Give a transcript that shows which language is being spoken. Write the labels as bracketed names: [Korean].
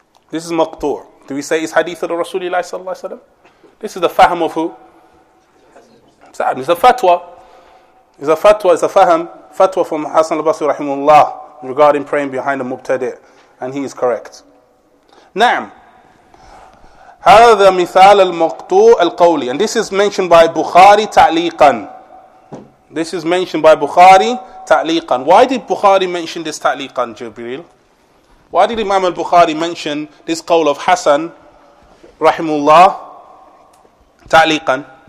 [English] This is maqtur. Do we say it's hadith of the Rasulullah sallallahu alayhi wa sallam? This is the fahm of who? Sa'd. It's a fatwa. It's a fahm. Fatwa from Hasan al-Basri rahimullah regarding praying behind a mubtadi' and he is correct. [Arabic] Naam. هذا مثال المقطوع القولي. [English] And this is mentioned by Bukhari ta'liqan. This is mentioned by Bukhari ta'liqan. Why did Bukhari mention this ta'liqan, Jibreel? Why did Imam al-Bukhari mention this qawl of Hassan, rahimullah, ta'liqan?